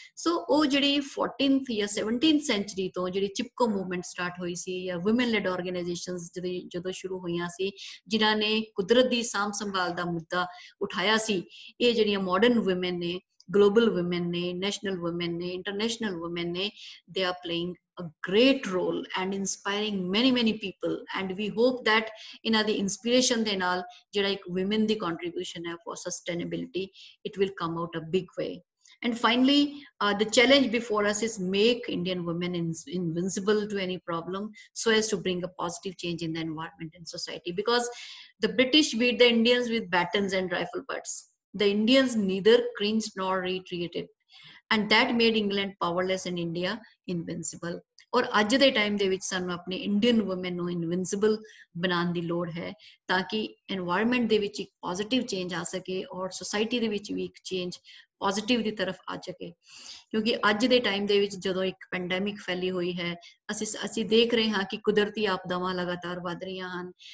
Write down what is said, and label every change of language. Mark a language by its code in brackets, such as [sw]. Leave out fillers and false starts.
[pa] ਸੋ ਉਹ ਜਿਹੜੀ 14th ਜਾਂ 17th ਸੈਂਚਰੀ ਤੋਂ ਜਿਹੜੀ ਚਿਪਕੋ ਮੂਵਮੈਂਟ ਸਟਾਰਟ ਹੋਈ ਸੀ ਜਾਂ ਵੁਮੈਨ ਲੈਡ ਆਰਗੇਨਾਈਜੇਸ਼ਨ ਜਦੋਂ ਸ਼ੁਰੂ ਹੋਈਆਂ ਸੀ, ਜਿਨ੍ਹਾਂ ਨੇ ਕੁਦਰਤ ਦੀ ਸਾਂਭ ਸੰਭਾਲ ਦਾ ਮੁੱਦਾ ਉਠਾਇਆ ਸੀ, ਇਹ ਜਿਹੜੀਆਂ ਮਾਡਰਨ ਵੁਮੈਨ ਨੇ, ਗਲੋਬਲ ਵੁਮੈਨ ਨੇ, ਨੈਸ਼ਨਲ ਵੁਮੈਨ ਨੇ, ਇੰਟਰਨੈਸ਼ਨਲ ਵੁਮੈਨ ਨੇ, [en] they are playing a great role and inspiring many many people and we hope that [pa] ਇਹਨਾਂ ਦੀ ਇੰਸਪੀਰੇਸ਼ਨ ਦੇ ਨਾਲ ਜਿਹੜਾ ਇੱਕ ਵੁਮੈਨ ਦੀ ਕੰਟਰੀਬਿਊਸ਼ਨ ਹੈ four sustainability, [en] It will come out a big way. And finally, the challenge before us is make Indian women invincible to any problem so as to bring a positive change in the environment and society. Because the British beat the Indians with batons and rifle butts. The Indians neither cringed nor retreated. And that made England powerless and India invincible. [pa] ਔਰ ਅੱਜ ਦੇ time ਦੇ ਵਿੱਚ ਸਾਨੂੰ ਆਪਣੇ Indian woman ਨੂੰ ਇਨਵਿੰਸੀਬਲ ਬਣਾਉਣ ਦੀ ਲੋੜ ਹੈ ਤਾਂ ਕਿ ਇਨਵਾਇਰਮੈਂਟ ਦੇ ਵਿੱਚ ਇੱਕ ਪੋਜ਼ਿਟਿਵ ਚੇਂਜ ਆ ਸਕੇ ਔਰ ਸੋਸਾਇਟੀ ਦੇ ਵਿੱਚ ਵੀ ਇੱਕ ਚੇਂਜ ਪੋਜ਼ਿਟਿਵ ਦੀ ਤਰਫ ਆ ਸਕੇ. ਕਿਉਂਕਿ ਅੱਜ ਦੇ ਟਾਈਮ ਦੇ ਵਿੱਚ ਜਦੋਂ ਇੱਕ ਪੈਂਡੈਮਿਕ ਫੈਲੀ ਹੋਈ ਹੈ, ਅਸੀਂ ਦੇਖ ਰਹੇ ਹਾਂ ਕਿ ਕੁਦਰਤੀ ਆਪਦਾਵਾਂ ਲਗਾਤਾਰ ਵੱਧ ਰਹੀਆਂ ਹਨ.